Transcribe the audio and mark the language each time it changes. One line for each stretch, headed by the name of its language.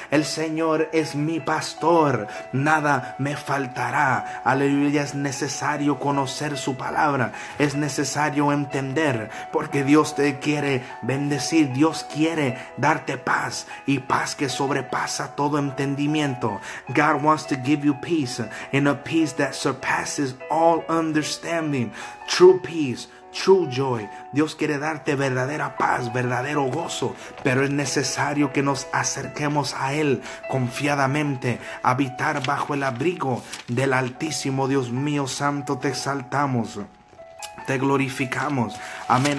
Spanish: El Señor es mi pastor, nada me faltará. Aleluya, es necesario conocer su palabra, es necesario entender, porque Dios te quiere bendecir, Dios quiere darte paz, y paz que sobrepasa todo entendimiento.
English: God wants to give you peace, and a peace that surpasses all understanding. True peace, true joy.
Spanish: Dios quiere darte verdadera paz, verdadero gozo, pero es necesario que nos acerquemos a él confiadamente, habitar bajo el abrigo del Altísimo. Dios mío santo, te exaltamos, te glorificamos. Amén.